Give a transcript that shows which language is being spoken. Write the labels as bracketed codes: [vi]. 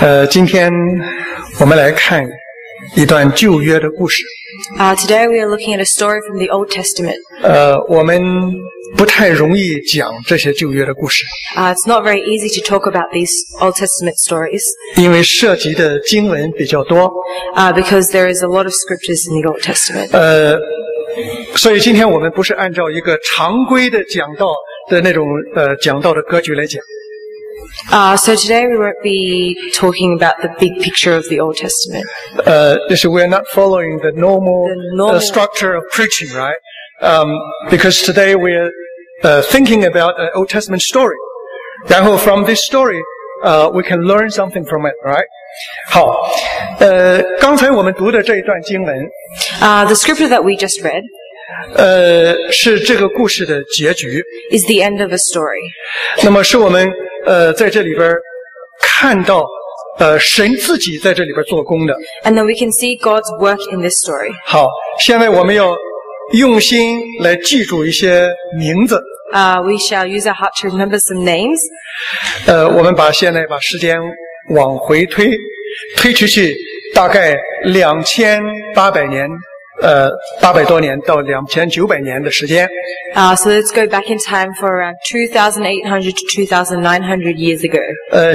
[zh] 今天我们来看一段旧约的故事。 [en] Today we are looking at a story from the Old Testament. [zh] 我们不太容易讲这些旧约的故事。 [en] It's not very easy to talk about these Old Testament stories. [zh] 因为涉及的经文比较多。 [en] Because there is a lot of scriptures in the Old Testament. [zh] 所以今天我们不是按照一个常规的讲道的那种讲道的格局来讲。 [en] So today we won't be talking about the big picture of the Old Testament. We're not following the normal structure of preaching, right? Because today we're thinking about an Old Testament story. [zh] 然后 [en] from this story, we can learn something from it, right? [zh] 好，刚才我们读的这一段经文 [en] The scripture that we just read. [zh] 是这个故事的结局 [en] is the end of a story. [zh] 那么是我们在这里边看到神自己在这里边做工的。 [en] And then we can see God's work in this story. [zh] 好，现在我们要用心来记住一些名字。 [en] We shall use our heart to remember some names. [zh] 我们现在把时间往回推，推出去大概2800年。 800多年到2900年的时间。 [en] So let's go back in time for around 2800 to 2900 years ago.